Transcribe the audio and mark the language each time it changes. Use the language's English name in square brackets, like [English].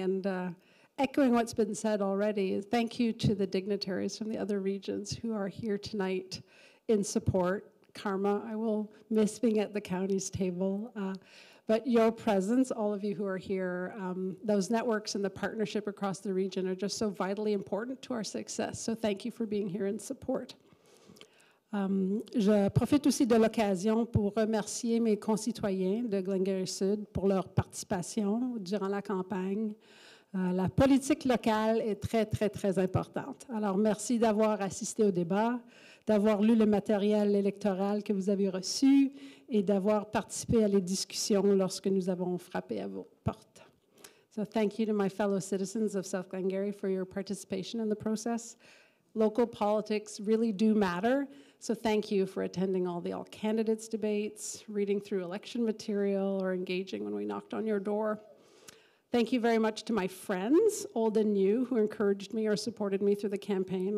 [English] And echoing what's been said already, thank you to the dignitaries from the other regions who are here tonight in support. Karma, I will miss being at the county's table. But your presence, all of you who are here, those networks and the partnership across the region are just so vitally important to our success. So thank you for being here in support. [French] Je profite aussi de l'occasion pour remercier mes concitoyens de Glengarry-Sud pour leur participation durant la campagne. La politique locale est très, très, très importante. Alors, merci d'avoir assisté au débat, d'avoir lu le matériel électoral que vous avez reçu et d'avoir participé à les discussions lorsque nous avons frappé à vos portes. [English] So, thank you to my fellow citizens of South Glengarry for your participation in the process. Local politics really do matter. So thank you for attending all the all candidates debates, reading through election material, or engaging when we knocked on your door. Thank you very much to my friends, old and new, who encouraged me or supported me through the campaign.